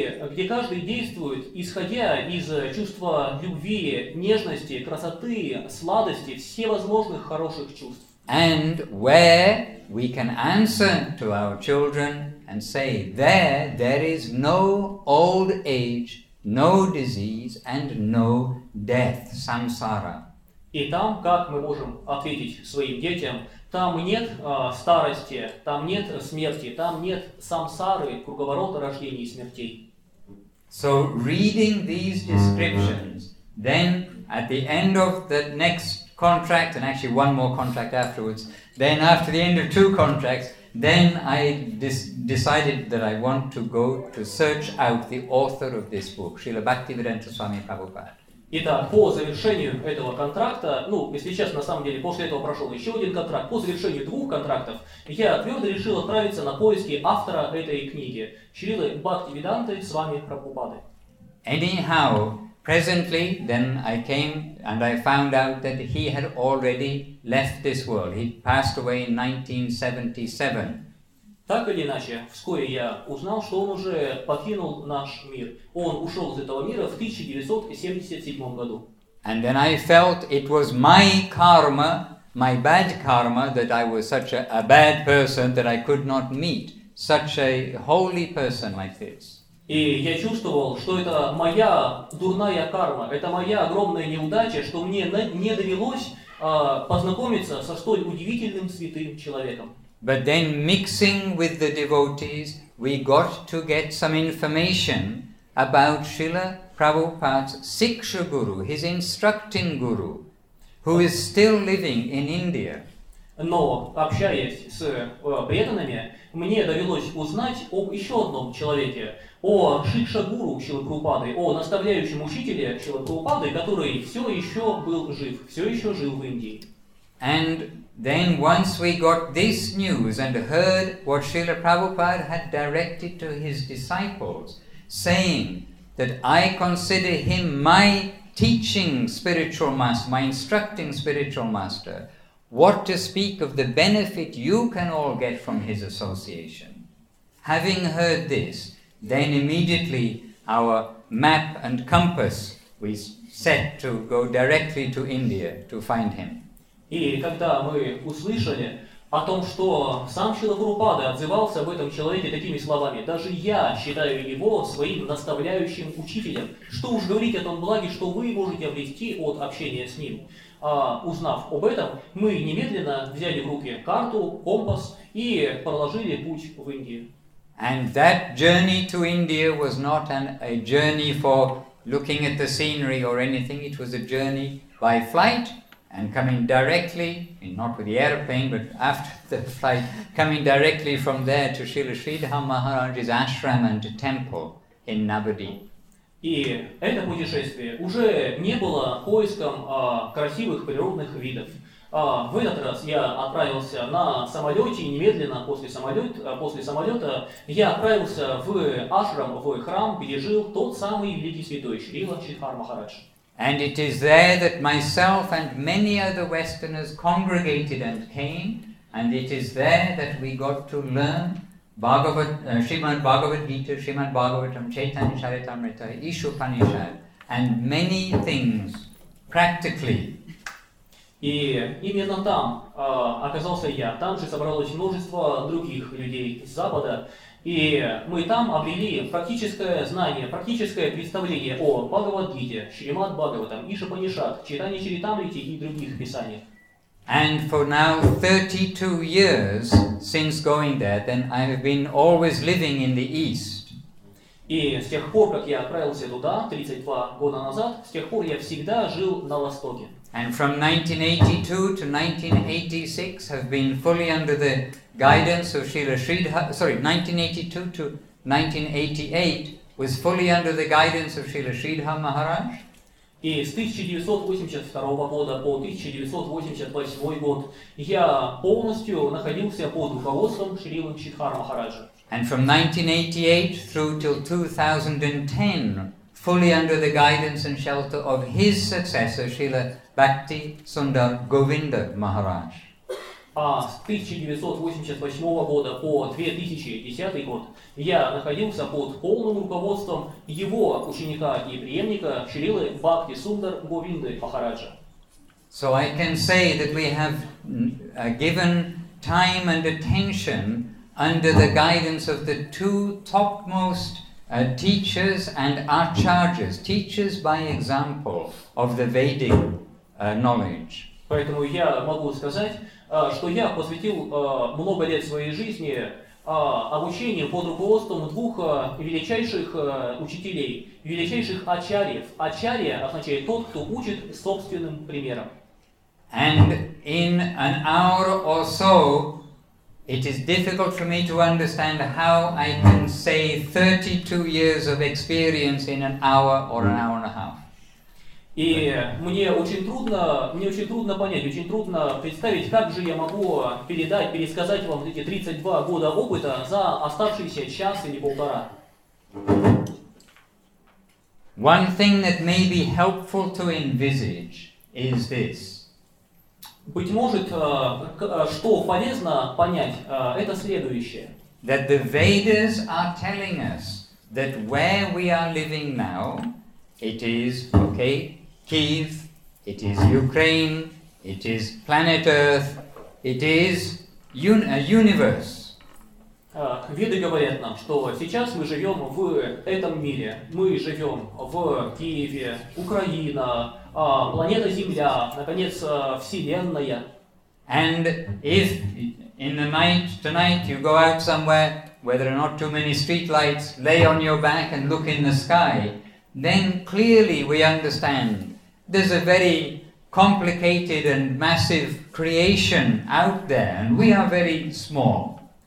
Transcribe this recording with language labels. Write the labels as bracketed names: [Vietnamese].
[Russian] Где каждый действует, исходя из чувства любви, нежности, красоты, сладости, всевозможных хороших чувств. [English] And where we can answer to our children and say, there is no old age, no disease, and no death, samsara. [Russian] И там, как мы можем ответить своим детям, там нет старости, там нет смерти, там нет самсары, круговорота рождений и смертей. [English] So, reading these descriptions, then at the end of the next contract, and actually one more contract afterwards, then after the end of two contracts, then I decided that I want to go to search out the author of this book, Srila Bhaktivedanta Swami Prabhupada. [Russian] Итак, по завершению этого контракта, ну, если честно, на самом деле, после этого прошел еще один контракт, по завершению двух контрактов, я твердо решил отправиться на поиски автора этой книги, Шрилы Бхактивиданты Свами Прабхупады. [English] Anyhow, presently, then I came and I found out that he had already left this world. He passed away in 1977. [Russian] Так или иначе, вскоре я узнал, что он уже покинул наш мир. Он ушел из этого мира в 1977 году. [English] And then I felt it was my karma, my bad karma, that I was such a bad person that I could not meet such a holy person like this. [Russian] И я чувствовал, что это моя дурная карма, это моя огромная неудача, что мне не довелось познакомиться со столь удивительным святым человеком. [English] But then mixing with the devotees, we got to get some information about Srila Prabhupada's Siksha Guru, his instructing guru, who is still living in India. [Russian] Но, общаясь с преданными, мне довелось узнать об еще одном человеке, о Шикша Гуру Шрилы Прабхупады, о наставляющем учителе Шрилы Прабхупады, который все еще был жив, все еще жил в Индии. [English] And then once we got this news and heard what Srila Prabhupada had directed to his disciples, saying that I consider him my teaching spiritual master, my instructing spiritual master, what to speak of the benefit you can all get from his association. Having heard this, then immediately our map and compass we set to go directly to India to find him. [Russian] И когда мы услышали о том, что сам Шрила Прабхупада отзывался об этом человеке такими словами, даже я считаю его своим наставляющим учителем. Что уж говорить о том благе, что вы можете обрести от общения с ним. Узнав об этом, мы немедленно взяли в руки карту, компас и проложили путь в Индию. [English] And that journey to India was not a journey for looking at the scenery or anything. It was a journey by flight. And coming directly, not with the airplane, but after the flight, coming directly from there to Srila Sridhar Maharaj's ashram and temple in Navadi. [Russian] И это путешествие уже не было поиском красивых природных видов. В этот раз я отправился на самолете, и немедленно после самолета я отправился в ашрам, в храм, где жил тот самый великий святой Шрила Чидхар Махарадж. [English] And it is there that myself and many other Westerners congregated and came, and it is there that we got to learn Bhagavad, Srimad Bhagavad Gita, Srimad Bhagavatam, Chaitanya Charitamrita, Ishupanishad, and many things practically. [Russian] И именно там оказался я. Там же собралось множество других людей из Запада. И мы там обрели практическое знание, практическое представление о Бхагавад-гите, Шримад Бхагаватам, Ишупанишад, Чайтанья Чаритамрите и других писаниях. [English] And for now 32 years since going there, then I have been always living in the East. [Russian] И с тех пор, как я отправился туда, 32 года назад, с тех пор я всегда жил на Востоке. [English] And from 1982 to 1986 have been fully under the guidance of Srila Sridhar, 1982 to 1988 was fully under the guidance of Srila Sridhar Maharaj. [Russian] И с 1982 года по 1988 год я полностью находился под руководством Шрилы Чидхар Махараджа. [English] And from 1988 through till 2010, fully under the guidance and shelter of his successor, Srila Bhakti Sundar Govinda Maharaj. [Russian] С 1988 года по 2010 год я находился под полным руководством его ученика и преемника Шрилы Бхакти Сундар Говинды Махараджа. [English] So I can say that we have given time and attention under the guidance of the two topmost teachers and acharyas, teachers by example of the Vedic knowledge. [Russian] Поэтому я могу сказать, что я посвятил много лет своей жизни обучению под руководством двух величайших учителей, величайших ачарьев. Ачарья означает тот, кто учит собственным примером. [English] And in an hour or so, it is difficult for me to understand how I can say 32 years of experience in an hour or an hour and a half. [Russian] И мне очень трудно понять, очень трудно представить, как же я могу передать, пересказать вам эти 32 года опыта за оставшиеся час или полтора. [English] One thing that may be helpful to envisage is this. [Russian] Быть может, что полезно понять, это следующее. [English] That the Vedas are telling us that where we are living now, it is, okay, Kyiv, it is Ukraine, it is planet Earth, it is a universe. [Russian] Веды говорят нам, что сейчас мы живем в этом мире. Мы живем в Киеве, Украина, планета Земля, наконец, Вселенная. [English] And if in the night, tonight, you go out somewhere where there are not too many street lights, lay on your back and look in the sky, then clearly we understand there's a very complicated and massive creation out there, and we are very small.